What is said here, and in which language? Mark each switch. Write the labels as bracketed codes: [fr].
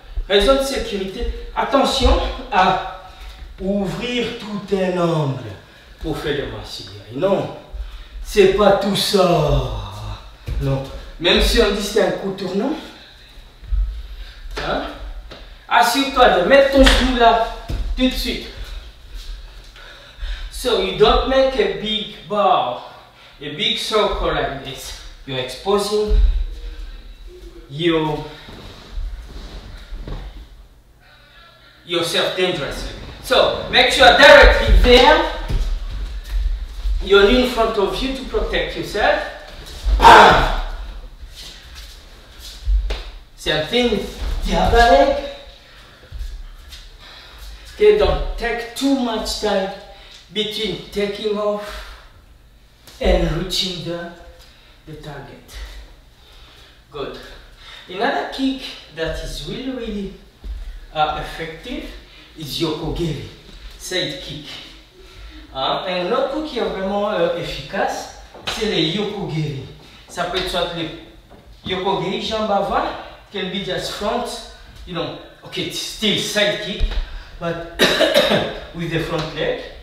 [fr] Raison de sécurité. Attention à ouvrir tout un angle pour faire le Mashigeri. Non. C'est pas tout ça. Non. Même si on dit c'est un coup tournant. Hein? Assure-toi de mettre ton genou là tout de suite. [en] So you don't make a big ball, a big circle like this. You're exposing yourself dangerously. So make sure directly there. You're in front of you to protect yourself. Bam! Same thing with the other leg. Okay, don't take too much time between taking off and reaching the target. Good. Another kick that is really, really effective is Yokogeri, side kick. [fr] Un autre coup qui est vraiment efficace, c'est le Yokogeri. Ça peut être soit le Yokogeri jambe avant, [en] can be just front, you know, okay, it's still side kick, but with the front leg.